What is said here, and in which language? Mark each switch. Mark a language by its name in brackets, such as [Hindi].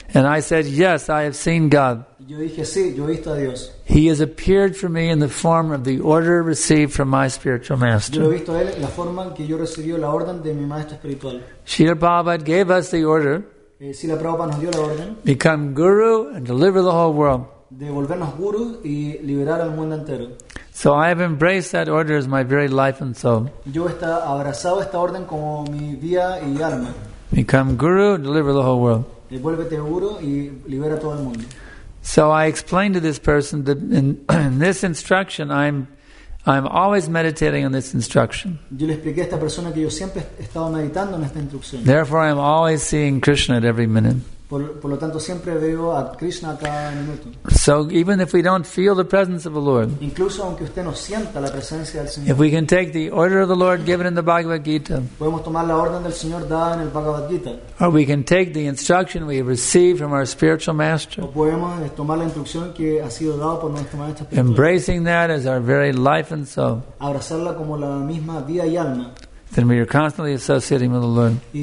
[English] And I said, "Yes, I have seen God. [Spanish] Yo dije, sí, yo he visto a Dios. [English] He has appeared for me in the form of the order received from my spiritual master." [Spanish] Yo he visto a él la forma en que yo recibí la orden de mi maestro espiritual. [English] Srila Prabhupada gave us the order. [Spanish] Srila Prabhupada nos dio la orden. [English] Become guru and deliver the whole world. [Spanish] De volvernos gurus y liberar al mundo entero. [English] So I have embraced that order as my very life and soul. [Spanish] Yo está abrazado esta orden como mi vida y alma. [English] Become guru, deliver the whole world. [Spanish] Vuélvete guru y libera todo el mundo. [English] So I explained to this person that in this instruction I'm always meditating on this instruction. [Spanish] Yo le expliqué a esta persona que yo siempre he estado meditando en esta instrucción. [English] Therefore I am always seeing Krishna at every minute. [Spanish] Por lo tanto, siempre veo a Krishna cada minuto. [English] So even if we don't feel the presence of the Lord, [Spanish] incluso aunque usted no sienta la presencia del Señor, [English] if we can take the order of the Lord given in the Bhagavad Gita, [Spanish] podemos tomar la orden del Señor dada en el Bhagavad Gita, [English] or we can take the instruction we have received from our spiritual master, [Spanish] o podemos tomar la instrucción que ha sido dada por nuestro maestro espiritual, [English] embracing that as our very life and soul, [Spanish] abrazarla como la misma vida y alma, [English] then we are constantly associating with the Lord.